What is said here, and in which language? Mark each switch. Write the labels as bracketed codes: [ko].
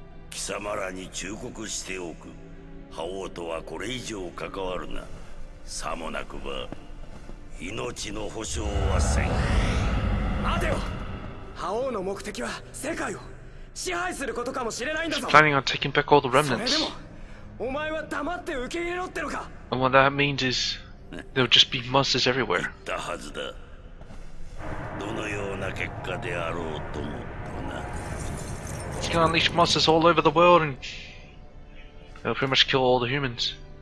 [ja] 貴様らに忠告しておく。覇王とはこれ以上関わるな。さもなくば命の保証はせん。待てよ。覇王の目的は世界を支配することかもしれないんだぞ。 [en] Planning on taking back all the remnants. [ja] それでもお前は黙って受け入れろってのか? [en] And what that means is there'll just be monsters everywhere. [ja] 言ったはずだ。どのような結果であろうとも。 [en] He's gonna unleash monsters all over the world and it'll pretty much kill all the humans.